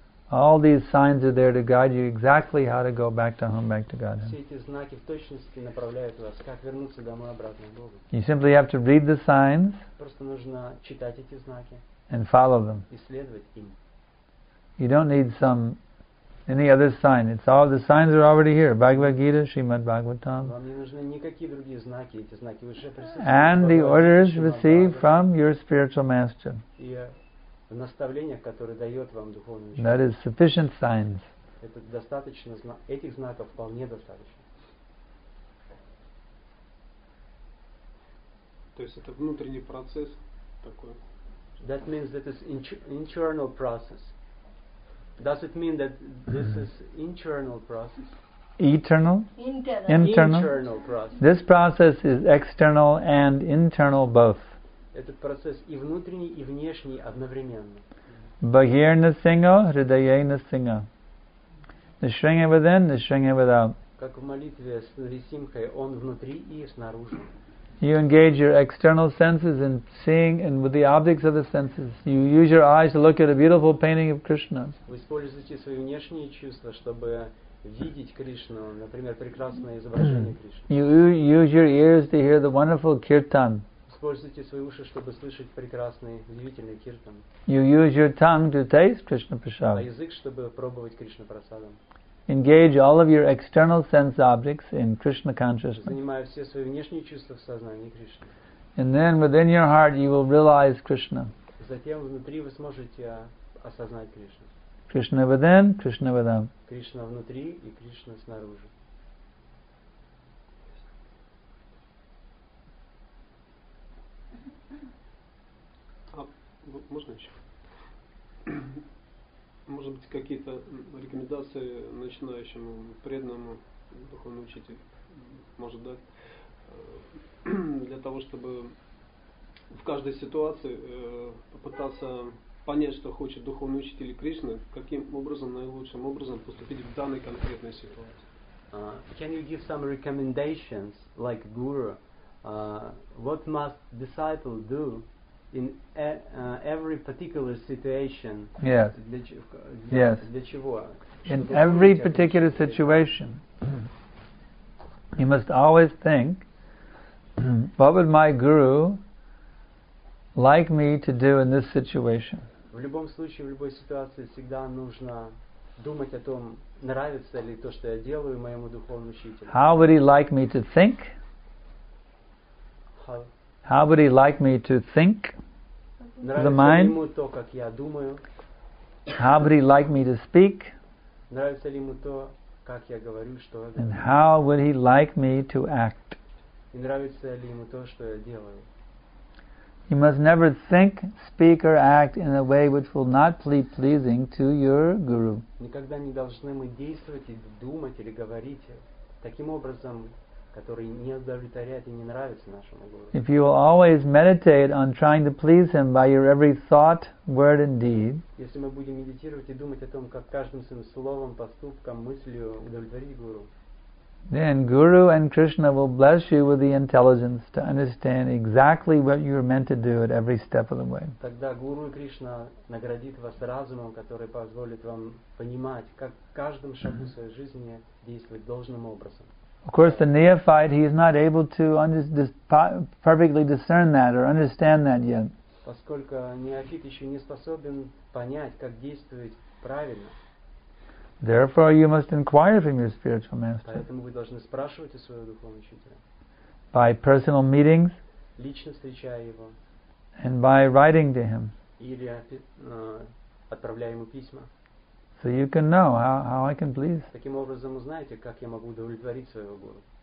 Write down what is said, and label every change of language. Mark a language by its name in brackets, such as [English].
[English] All these signs are there to guide you exactly how to go back to home, back to God. [Russian] Все эти знаки в точности направляют вас, как вернуться домой обратно к Богу. [English] You simply have to read the signs. [Russian] Просто нужно читать эти знаки. [English] And follow them. [Russian] И следовать им. [English] You don't need any other sign. It's all the signs are already here. Bhagavad Gita, Srimad Bhagavatam. [Russian] Вам не нужны никакие другие знаки. Эти знаки уже присутствуют. [English] And the orders received from your spiritual master. [Russian] В наставлениях, которые дает вам духовный учитель. [English] That is sufficient signs. [Russian] Это достаточно, этих знаков вполне достаточно. То есть это внутренний процесс такой. [English] That means that is internal process. Does it mean that this is internal process? Internal process. This process is external and internal both. [Russian] Этот процесс и внутренний, и внешний одновременно. [Sanskrit] Bahirna singa, hridayena singa. [English] The shringa within, the shringa without. [Russian] Как в молитве с Нарисимхой, он внутри и снаружи. [English] You engage your external senses in seeing and with the objects of the senses. You use your eyes to look at a beautiful painting of Krishna. [Russian] Вы используете свои внешние чувства, чтобы видеть Кришну, например, прекрасное изображение Кришны. [English] You use your ears to hear the wonderful kirtan. [Russian] Используйте свои уши, чтобы слышать прекрасный, удивительный киртан. [English] You use your tongue to taste Krishna prasad. [Russian] А язык, чтобы пробовать Кришна прасадам. [English] Engage all of your external sense objects in Krishna consciousness. [Russian] Занимая все свои внешние чувства в сознании Кришны. [English] And then within your heart you will realize Krishna. [Russian] Затем внутри вы сможете осознать Кришну. [English] Krishna within, Krishna without. [Russian] Кришна внутри и Кришна снаружи. Можно еще? Может быть, какие-то рекомендации начинающему преданному духовному учителю может дать для того, чтобы в каждой ситуации попытаться понять, что хочет духовный учитель Кришна, каким образом, наилучшим образом поступить в данной конкретной ситуации? [English] Can you give some recommendations like guru what must disciple do in every particular situation? Yes. [Russian] Для чего? [English] In every particular situation, you must always think, what would my guru like me to do in this situation? [Russian] В любом случае, в любой ситуации всегда нужно думать о том, нравится ли то, что я делаю моему духовному учителю. [English] How would he like me to think? How would he like me to think? The mind? [Russian] Нравится ли ему то, как я думаю? [English] How would he like me to speak? [Russian] Нравится ли ему то, как я говорю, что я... [English] And how would he like me to act? [Russian] И нравится ли ему то, что я делаю? [English] You must never think, speak, or act in a way which will not be pleasing to your guru. [Russian] Никогда не должны мы действовать, думать или говорить таким образом, который не удовлетворяет и не нравится нашему гуру. [English] If you will always meditate on trying to please him by your every thought, word, and deed. [Russian] Если мы будем медитировать и думать о том, как каждым своим словом, поступком, мыслью удовлетворить гуру. [English] Then Guru and Krishna will bless you with the intelligence to understand exactly what you are meant to do at every step of the way. [Russian] Тогда Гуру и Кришна наградит вас разумом, который позволит вам понимать, как каждым шагу своей жизни действовать должным образом. [English] Of course, the neophyte, he is not able to perfectly discern that or understand that yet. [Russian] Поскольку неофит еще не способен понять, как действовать правильно. [English] Therefore, you must inquire from your spiritual master. [Russian] Поэтому вы должны спрашивать у своего духовного учителя. [English] By personal meetings. [Russian] Лично встречая его. [English] And by writing to him. [Russian] Или отправляя ему письма. [English] So you can know how I can please. [Russian] Таким образом, узнаете, как я могу удовлетворить своего гуру.